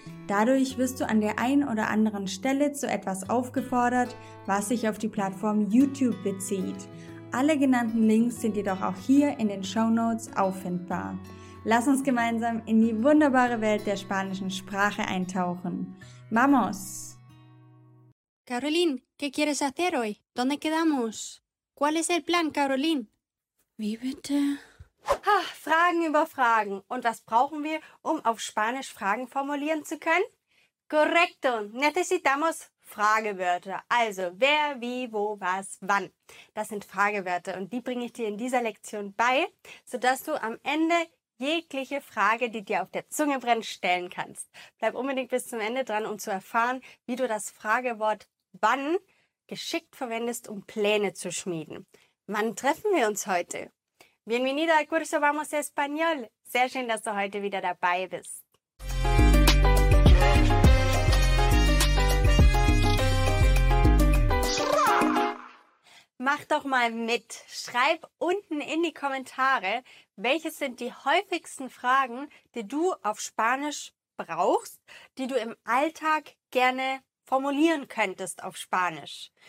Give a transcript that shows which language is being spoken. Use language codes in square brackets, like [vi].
[de] Dadurch wirst du an der einen oder anderen Stelle zu etwas aufgefordert, was sich auf die Plattform YouTube bezieht. Alle genannten Links sind jedoch auch hier in den Shownotes auffindbar. Lass uns gemeinsam in die wunderbare Welt der spanischen Sprache eintauchen. [es] ¡Vamos! Caroline, ¿qué quieres hacer hoy? ¿Dónde quedamos? ¿Cuál es el plan, Caroline? [de] Wie bitte? Ach, Fragen über Fragen. Und was brauchen wir, um auf Spanisch Fragen formulieren zu können? [es] Correcto, necesitamos [de] Fragewörter. Also, wer, wie, wo, was, wann. Das sind Fragewörter und die bringe ich dir in dieser Lektion bei, sodass du am Ende jegliche Frage, die dir auf der Zunge brennt, stellen kannst. Bleib unbedingt bis zum Ende dran, um zu erfahren, wie du das Fragewort wann geschickt verwendest, um Pläne zu schmieden. Wann treffen wir uns heute? [es] Bienvenido al curso Vamos Español. [de] Sehr schön, dass du heute wieder dabei bist. Mach doch mal mit. Schreib unten in die Kommentare, welches sind die häufigsten Fragen, die du auf Spanisch brauchst, die du im Alltag gerne formulieren könntest auf Spanisch.